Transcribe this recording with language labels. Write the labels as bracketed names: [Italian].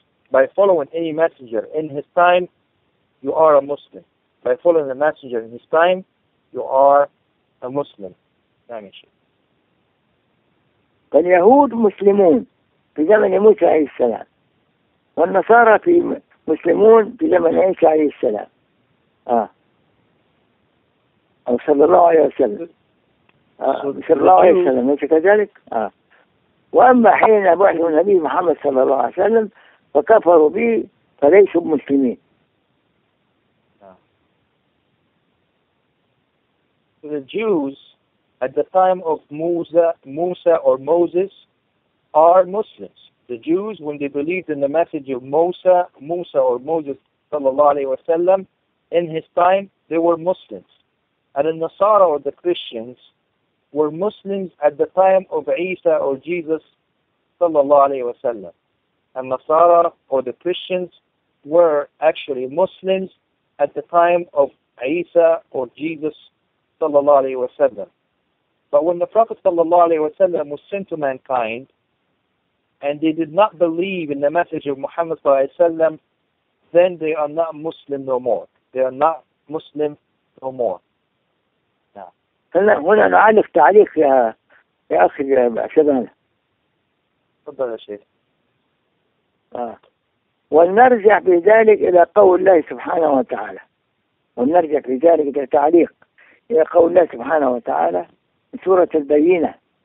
[English] By following any messenger in his time, you are a Muslim. By following the messenger in his time, you are a Muslim. [Arabic] The Yahud Muslimun في زمن موسى عليه السلام والنصارى في مسلمون في زمن عيسى عليه السلام. صلى الله عليه وسلم. صلى الله عليه وسلم. ليس كذلك؟ وأما حين بعث النبي محمد صلى الله عليه وسلم فكفروا بي فليسوا مسلمين. [English] So the Jews at the time of Musa or Moses are Muslims. The Jews, when they believed in the message of Musa or Moses sallallahu alayhi wa sallam, in his time, they were Muslims. And the Nasara or the Christians were Muslims at the time of Isa or Jesus sallallahu alayhi wa sallam. And Nasara or the Christians were actually Muslims at the time of Isa or Jesus sallallahu alayhi wa sallam. But when the Prophet sallallahu alayhi wa sallam was sent to mankind, and they did not believe in the message of Muhammad [Arabic] صلى الله عليه وسلم, [English] then they are not Muslim no more. They are not Muslim no more. [Arabic] هلا هنا نعرف تعليق يا أخي يا شبان. تفضل يا شيخ. ونرجع بذلك إلى قول الله سبحانه وتعالى. ونرجع بذلك إلى تعليق إلى قول الله سبحانه وتعالى سورة البينة.